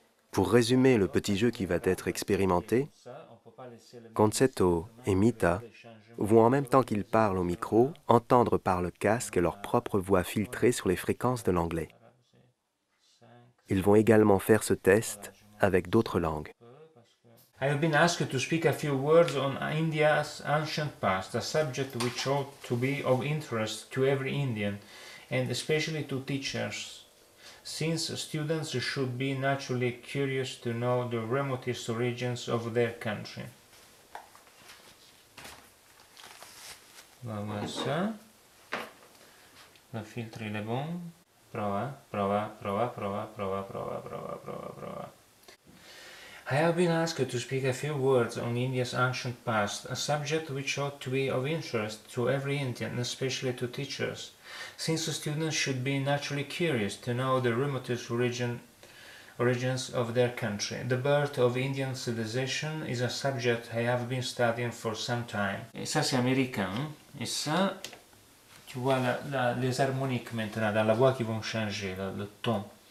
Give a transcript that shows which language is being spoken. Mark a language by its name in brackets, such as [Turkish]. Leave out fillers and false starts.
[French] Pour résumer le petit jeu qui va être expérimenté, Concetto et Mita vont en même temps qu'ils parlent au micro entendre par le casque leur propre voix filtrée sur les fréquences de l'anglais. Ils vont également faire ce test avec d'autres langues. [English] I have been asked to speak a few words on India's ancient past, a subject which ought to be of interest to every Indian and especially to teachers. Since students should be naturally curious to know the remotest origins of their country. [French] Voilà. Le filtre est bon. [Italian] Prova. [English] I have been asked to speak a few words on India's ancient past, a subject which ought to be of interest to every Indian, especially to teachers, since students should be naturally curious to know the remotest origins of their country. The birth of Indian civilization is a subject I have been studying for some time. [French] Et ça, c'est américain. Et ça, tu vois les harmoniques maintenant, dans la voix qui vont changer, le ton.